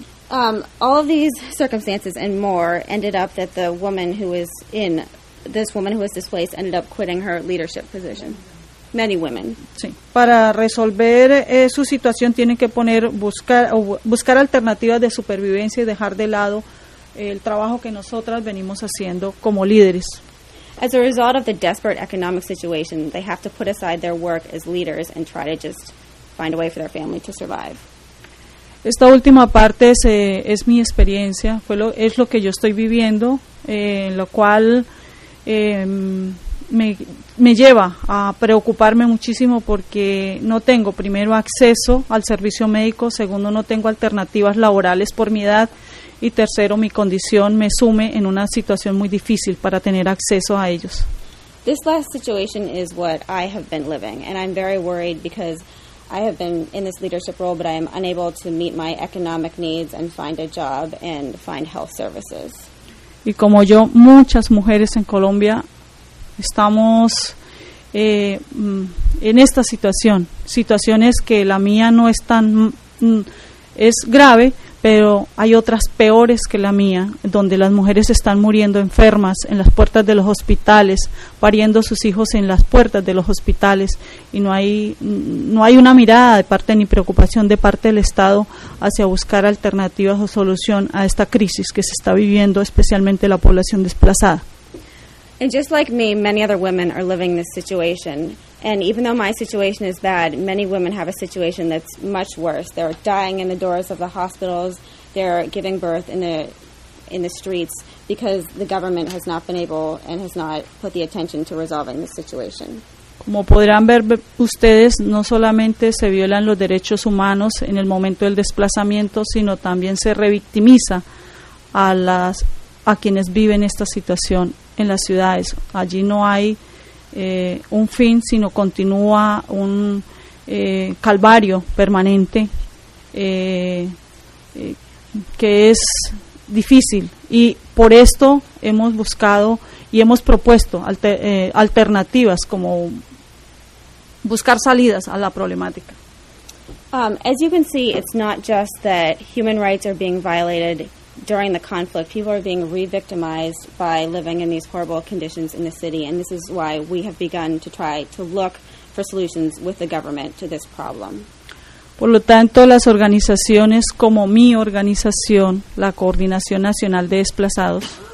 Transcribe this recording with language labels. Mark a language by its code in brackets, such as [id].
[en] All of these circumstances and more ended up that this woman who was displaced ended up quitting her leadership position. Many women. [es] Sí. Para resolver su situación tienen que buscar alternativas de supervivencia y dejar de lado el trabajo que nosotras venimos haciendo como líderes. [en] As a result of the desperate economic situation, they have to put aside their work as leaders and try to just find a way for their family to survive. [es] Esta última parte es mi experiencia, es lo que yo estoy viviendo, lo cual me lleva a preocuparme muchísimo porque no tengo primero acceso al servicio médico, segundo no tengo alternativas laborales por mi edad y tercero mi condición me sume en una situación muy difícil para tener acceso a ellos. [en] This last situation is what I have been living and I'm very worried because I have been in this leadership role but I am unable to meet my economic needs and find a job and find health services. [es] Y como yo, muchas mujeres en Colombia estamos en esta situación, situaciones que la mía no es tan, es grave, pero hay otras peores que la mía, donde las mujeres están muriendo enfermas en las puertas de los hospitales, pariendo sus hijos en las puertas de los hospitales, y no hay una mirada de parte ni preocupación de parte del Estado hacia buscar alternativas o solución a esta crisis que se está viviendo, especialmente la población desplazada. [en] And just like me, many other women are living this situation. And even though my situation is bad, many women have a situation that's much worse. They're dying in the doors of the hospitals. They're giving birth in the streets because the government has not been able and has not put the attention to resolving this situation. [es] Como podrán ver ustedes, no solamente se violan los derechos humanos en el momento del desplazamiento, sino también se revictimiza a quienes viven esta situación. En las ciudades, allí no hay un fin, sino continúa un calvario permanente que es difícil. Y por esto hemos buscado y hemos propuesto alternativas, como buscar salidas a la problemática. [en] As you can see, it's not just that human rights are being violated. During the conflict, people are being re-victimized by living in these horrible conditions in the city, and this is why we have begun to try to look for solutions with the government to this problem. [es] Por lo tanto, las organizaciones como mi organización, la Coordinación Nacional de Desplazados,